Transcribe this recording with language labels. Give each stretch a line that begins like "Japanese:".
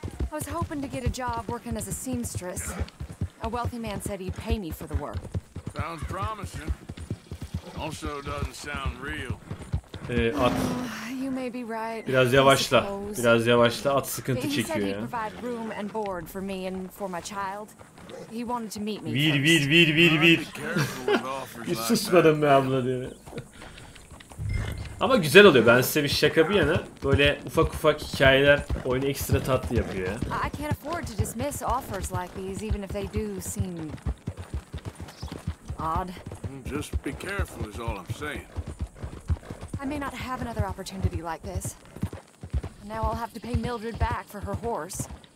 English: I was hoping to get a job working as a seamstress. A wealthy man said he'd pay me for the work. Sounds promising. Also doesn't sound real.
Turkish: At.
English: You may be right.
Turkish: Biraz yavaşla. Biraz yavaşla. At sıkıntı çekiyor ya.
English: He provided room and board for me and for my child. He wanted to meet me.
Turkish: Bir, bir, bir, bir, bir. Bir susmadım be abla diye. Ama güzel oluyor. Ben size bir şaka bir yana. Böyle ufak ufak hikayeler oyunu ekstra tatlı yapıyor ya.
English: I can't afford to dismiss offers like these even if they do seem odd. Just be careful is all I'm saying. I may not have another opportunity like this. Now I'll have to pay Mildred back for her horse.